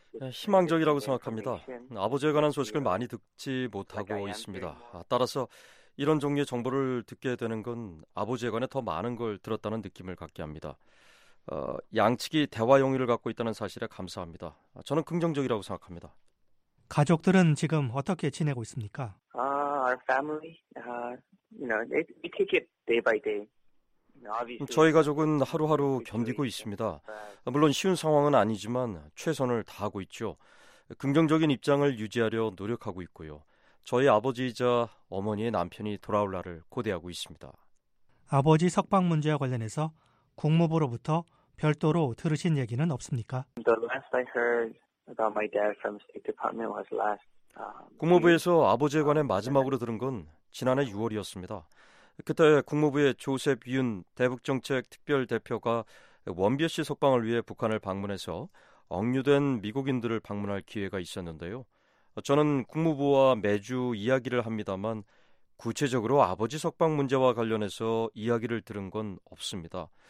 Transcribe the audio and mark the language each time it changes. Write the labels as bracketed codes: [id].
[ko] 희망적이라고 생각합니다. 아버지에 관한 소식을 많이 듣지 못하고 있습니다. 따라서 이런 종류의 정보를 듣게 되는 건 아버지에 관해 더 많은 걸 들었다는 느낌을 갖게 합니다. 양측이 대화 용의를 갖고 있다는 사실에 감사합니다. 저는 긍정적이라고 생각합니다. 가족들은 지금 어떻게 지내고 있습니까? [en] Our family, we take it day by day. [ko] 저희 가족은 하루하루 견디고 있습니다. 물론 쉬운 상황은 아니지만 최선을 다하고 있죠. 긍정적인 입장을 유지하려 노력하고 있고요. 저희 아버지이자 어머니의 남편이 돌아올 날을 고대하고 있습니다. 아버지 석방 문제와 관련해서 국무부로부터 별도로 들으신 얘기는 없습니까? [en] The last I heard about my dad from State Department was last. [ko] 국무부에서 아버지에 관해 마지막으로 들은 건 지난해 6월이었습니다. 그때 국무부의 조셉 윤 대북정책특별대표가 원비어 씨 석방을 위해 북한을 방문해서 억류된 미국인들을 방문할 기회가 있었는데요. 저는 국무부와 매주 이야기를 합니다만 구체적으로 아버지 석방 문제와 관련해서 이야기를 들은 건 없습니다.